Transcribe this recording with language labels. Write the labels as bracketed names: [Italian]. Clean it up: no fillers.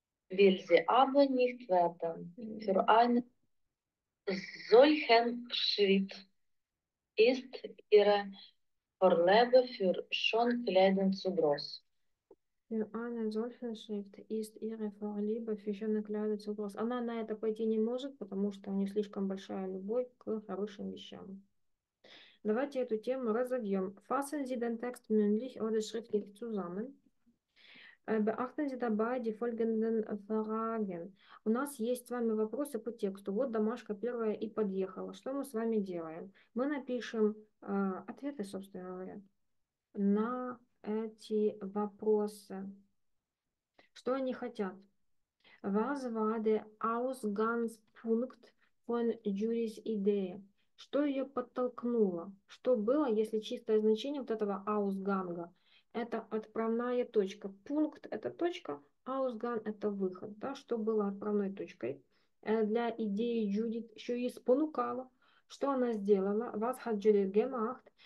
[German] Will sie aber nicht werden. Für einen solchen Schritt ist ihre Vorliebe Für einen solchen Schritt ist ihre Vorliebe für schöne Kleider zu groß. [Russian] Она на это пойти не может, потому что у нее слишком большая любовь к хорошим вещам. Давайте эту тему разовьем. [German] Fassen Sie den Text mündlich oder schriftlich zusammen. Beachten Sie dabei die folgenden Fragen. [Russian] У нас есть с вами вопросы по тексту. Вот домашка первая и подъехала. Что мы с вами делаем? Мы напишем ответы, собственно говоря, на эти вопросы. Что они хотят? [German] Was war der Ausgangspunkt von Julies Idee? [Russian] Что ее подтолкнуло? Что было, если чистое значение вот этого Ausgang? Это отправная точка. Пункт – это точка, Ausgang – это выход. Да? Что было отправной точкой для идеи Джудит? Что ее спонукало? Что она сделала? [German] Was hat Judith gemacht?